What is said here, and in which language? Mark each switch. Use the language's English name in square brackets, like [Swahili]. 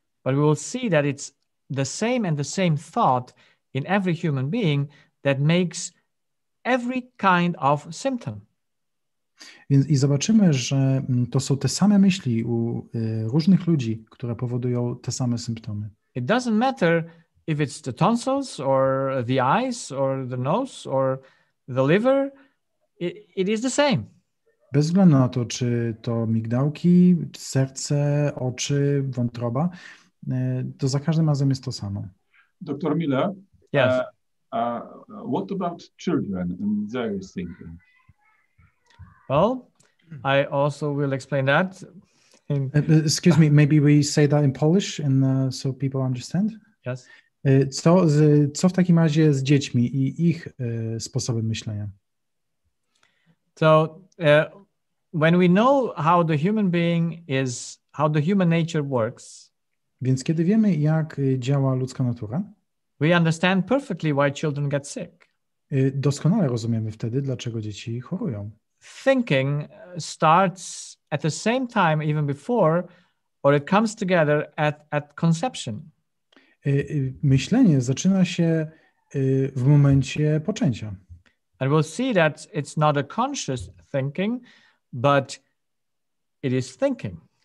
[English] But we will see that it's the same and the same thought in every human being that makes every kind of symptom. [Polish] Więc i zobaczymy, że to są te same myśli u różnych ludzi, które powodują te same symptomy. [English] It doesn't matter if it's the tonsils or the eyes or the nose or the liver, it is the same. [Polish] Bez względu na to, czy to migdałki, serce, oczy, wątroba, to za każdym razem jest to samo. [English] Dr. Miller, yes. What about children and their thinking? Well, I also will explain that. Excuse me, maybe we say that in Polish and so people understand? Yes. [Polish] Co w takim razie z dziećmi i ich sposoby myślenia? [English] So, when we know how the human being is, how the human nature works, [Polish] więc kiedy wiemy, jak działa ludzka natura, [English] we understand perfectly why children get sick. [Polish] Doskonale rozumiemy wtedy, dlaczego dzieci chorują. [English] Thinking starts at the same time, even before, or it comes together at conception. [Polish] Myślenie zaczyna się w momencie poczęcia. [English] And we'll see that it's not a conscious thinking, but it is thinking.